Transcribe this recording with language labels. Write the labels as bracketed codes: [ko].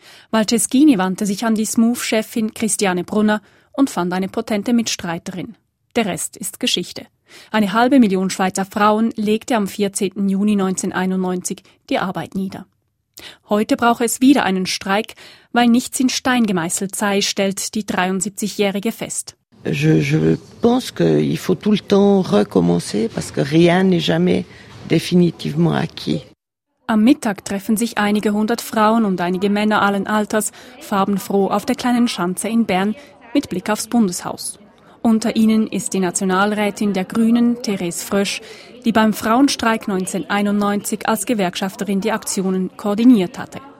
[de] Valceschini wandte sich an die Smooth-Chefin Christiane Brunner und fand eine potente Mitstreiterin. Der Rest ist Geschichte. Eine 500.000 Schweizer Frauen legte am 14. Juni 1991 die Arbeit nieder. Heute brauche es wieder einen Streik, weil nichts in Stein gemeißelt sei, stellt die 73-Jährige fest. [fr] Je pense qu'il faut tout le temps recommencer, parce que rien n'est jamais définitivement acquis. [de] Am Mittag treffen sich einige hundert Frauen und einige Männer allen Alters, farbenfroh auf der kleinen Schanze in Bern, mit Blick aufs Bundeshaus. Unter ihnen ist die Nationalrätin der Grünen, Therese Frösch, die beim Frauenstreik 1991 als Gewerkschafterin die Aktionen koordiniert hatte.